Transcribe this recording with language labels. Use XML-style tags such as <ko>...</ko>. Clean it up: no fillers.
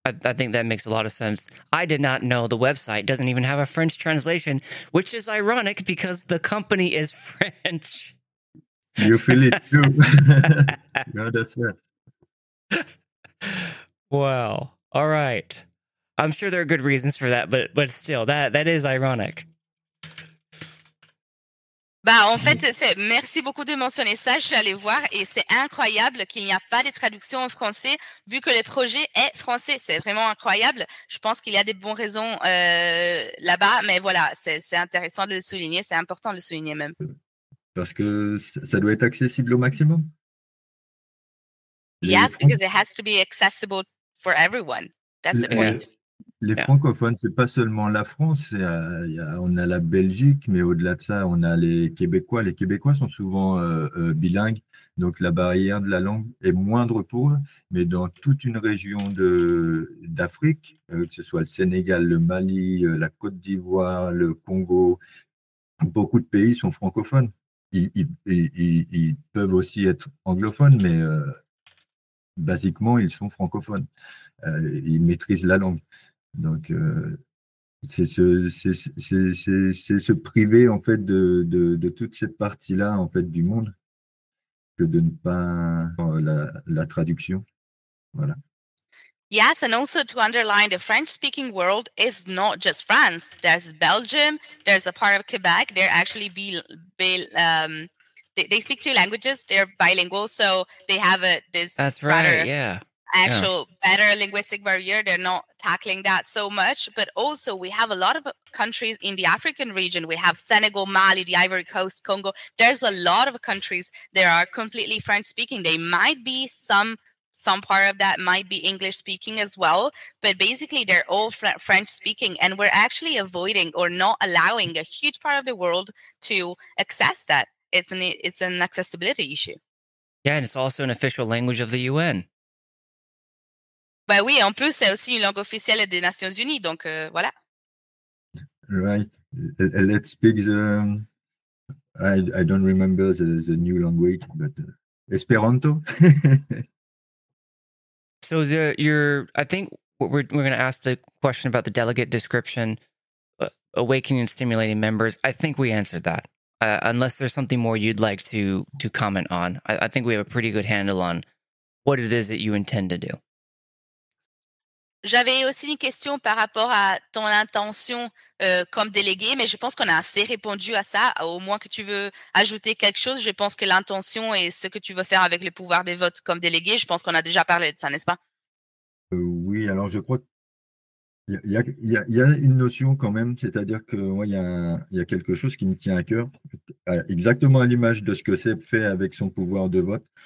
<en>I think that makes a lot of sense. I did not know the website doesn't even have a French translation, which is ironic because the company is French. You feel it too. You understand. Well, all right. I'm sure there are good reasons for that, but still, that is ironic.</en> <fr>Bah, en fait, merci beaucoup de mentionner ça. Je suis allée voir et c'est incroyable qu'il n'y a pas de traduction en français vu que le projet est français. C'est vraiment incroyable. Je pense qu'il y a des bonnes raisons là-bas, mais voilà, c'est intéressant de le souligner. C'est important de le souligner même. Parce que ça doit être accessible au maximum.</fr> <en>Yes, because it has to be accessible for everyone. That's the point.</en> <fr>Les francophones, c'est pas seulement la France, on a la Belgique, mais au-delà de ça, on a les Québécois. Les Québécois sont souvent bilingues, donc la barrière de la langue est moindre pour eux. Mais dans toute une région d'Afrique, que ce soit le Sénégal, le Mali, la Côte d'Ivoire, le Congo, beaucoup de pays sont francophones. Ils peuvent aussi être anglophones, mais basiquement, ils sont francophones. Ils maîtrisent la langue. Donc, c'est se priver en fait de toute cette partie-là en fait du monde que de ne pas la traduction, voilà.</fr> <en>Yes, and also to underline, the French-speaking world is not just France. There's Belgium. There's a part of Quebec. They're actually they speak two languages. They're bilingual, so they have this. That's right. Better linguistic barrier. They're not tackling that so much. But also, we have a lot of countries in the African region. We have Senegal, Mali, the Ivory Coast, Congo. There's a lot of countries that are completely French-speaking. They might be some part of that might be English-speaking as well. But basically, they're all French-speaking. And we're actually avoiding or not allowing a huge part of the world to access that. It's an accessibility issue. Yeah, and it's also an official language of the UN.</en> <fr>Ben oui, en plus, c'est aussi une langue officielle des Nations Unies, donc voilà.</fr> <en>Right. Let's speak the... I don't remember the new language, but Esperanto. So I think we're going to ask the question about the delegate description, awakening and stimulating members. I think we answered that. Unless there's something more you'd like to comment on. I think we have a pretty good handle on what it is that you intend to do.</en> <fr>J'avais aussi une question par rapport à ton intention comme délégué, mais je pense qu'on a assez répondu à ça. Au moins que tu veux ajouter quelque chose, je pense que l'intention et ce que tu veux faire avec le pouvoir de vote comme délégué, je pense qu'on a déjà parlé de ça, n'est-ce pas? Oui, alors je crois qu'il y a une notion quand même, c'est-à-dire que moi, il y a quelque chose qui me tient à cœur, exactement à l'image de ce que Seb fait avec son pouvoir de vote.</fr>